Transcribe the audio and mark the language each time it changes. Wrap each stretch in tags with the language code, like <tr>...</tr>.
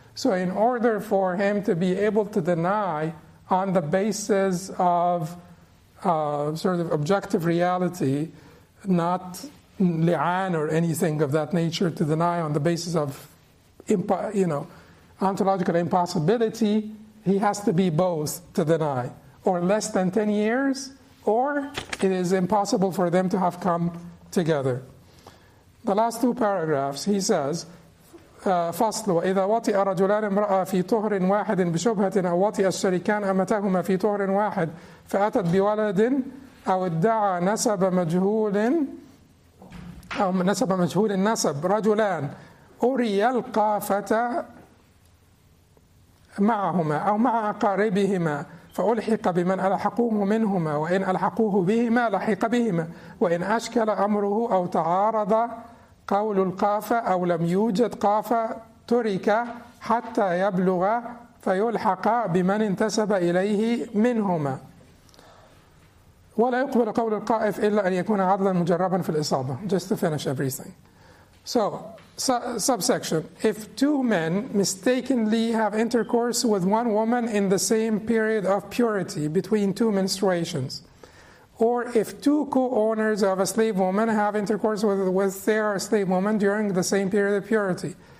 <en>So in order for him to be able to deny on the basis of sort of objective reality, not li'an or anything of that nature, to deny on the basis of, you know, ontological impossibility, he has to be both to deny, or less than 10 years, or it is impossible for them to have come together. The last two paragraphs, he says,</en> <ar>فصل وإذا وطئ رجلان امرأة في طهر واحد بشبهة أو وطئ الشريكان أمتهما في طهر واحد فأتت بولد أو ادعى نسب مجهول أو نسب مجهول النسب رجلان أري القافة معهما أو مع أقاربهما فألحق بمن ألحقوه منهما وإن ألحقوه بهما لحق بهما وإن أشكل أمره أو تعارض قول القافة أو لم يوجد قافة ترك حتى يبلغ فيلحق بمن انتسب إليه منهما ولا يقبل قول القائف إلا أن يكون عدلا مجربا في الإصابة.</ar> <en>Just to finish everything. So, subsection. If two men mistakenly have intercourse with one woman in the same period of purity between two menstruations, or if two co-owners of a slave woman have intercourse with their slave woman during the same period of purity,</en>